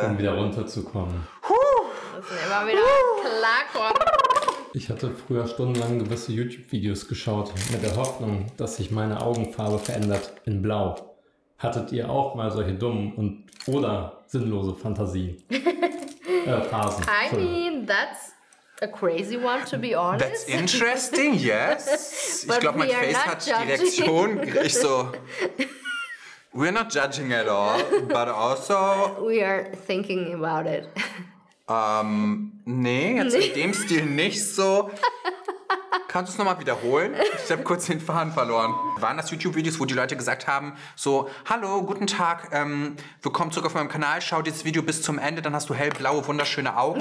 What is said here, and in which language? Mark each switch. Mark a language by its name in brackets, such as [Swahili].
[German] Um wieder runterzukommen. Das ist immer wieder klarkommen. Ich hatte früher stundenlang gewisse YouTube-Videos geschaut, mit der Hoffnung, dass sich meine Augenfarbe verändert in blau. Hattet ihr auch mal solche dummen und oder sinnlose Fantasien? Phasen. [English] I mean, that's a crazy one, to be honest. That's interesting, yes. [German] Ich glaube, mein Face hat judging. Direktion. Ich so, [English] we're not judging at all, but also... We are thinking about it. [German] Nee, jetzt in dem Stil nicht so. Kannst du es nochmal wiederholen? Ich habe kurz den Faden verloren. Waren das YouTube-Videos, wo die Leute gesagt haben, so, hallo, guten Tag, willkommen zurück auf meinem Kanal, schau dir das Video bis zum Ende, dann hast du hellblaue, wunderschöne Augen.